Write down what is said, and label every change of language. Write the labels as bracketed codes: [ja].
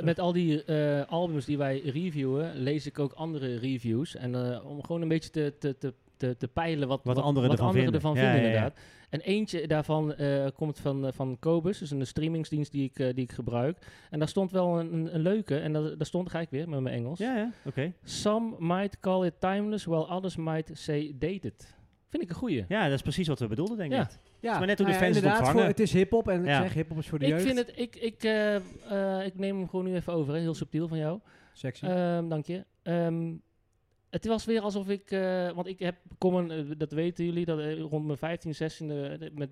[nl] Met al die albums die wij reviewen, lees ik ook andere reviews. En om gewoon een beetje te peilen wat anderen ervan vinden. Inderdaad. En eentje daarvan komt van Kobus, dus een streamingsdienst die ik gebruik. En daar stond wel een leuke, en daar stond, ga ik weer met mijn Engels. Ja, ja. Oké. [en] Some might call it timeless, while others might say dated. [nl] Vind ik een goeie. Ja, dat is precies wat we bedoelden, denk ik. Ja. Ja, maar net toen de fans het ontvangen. Voor, het is hip-hop en ik zeg hip-hop is voor de jeugd. Ik vind het, ik neem hem gewoon nu even over, hè. Heel subtiel van jou. Sexy. Dank je. Het was weer alsof ik, want ik heb Common, dat weten jullie, dat rond mijn 15, 16e met